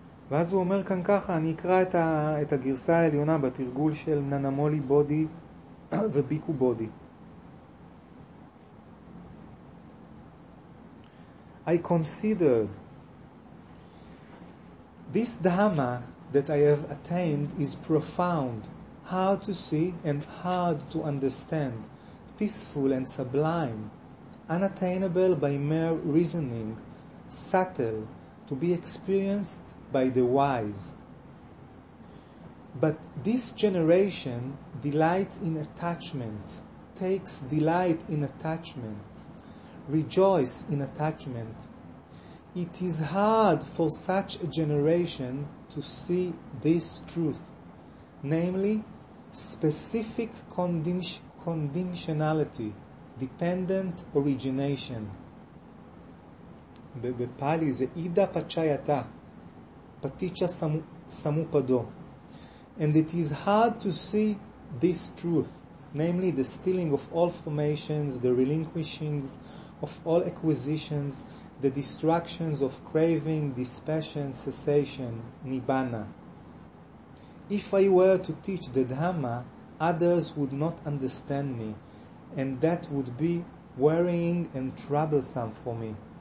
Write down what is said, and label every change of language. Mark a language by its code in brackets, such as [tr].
[he] ואז הוא אומר כאן ככה, אני אקרא את, את הגרסה העליונה בתרגול של ננמולי בודי וביקו בודי. [en] I considered, this dhamma that I have attained is profound, hard to see and hard to understand, peaceful and sublime, unattainable by mere reasoning, subtle, to be experienced by the wise. But this generation delights in attachment, takes delight in attachment, rejoices in attachment. It is hard for such a generation to see this truth, namely, specific conditionality, dependent origination. [he] בפאלי זה [pi] אידה פצ'יאטה, פטיצ'ה סמופדו. [en] And it is hard to see this truth, namely, the stealing of all formations, the relinquishings of all acquisitions, the distractions of craving, dispassion, cessation, nibbana. If I were to teach the Dhamma, others would not understand me, and that would be worrying and troublesome for me.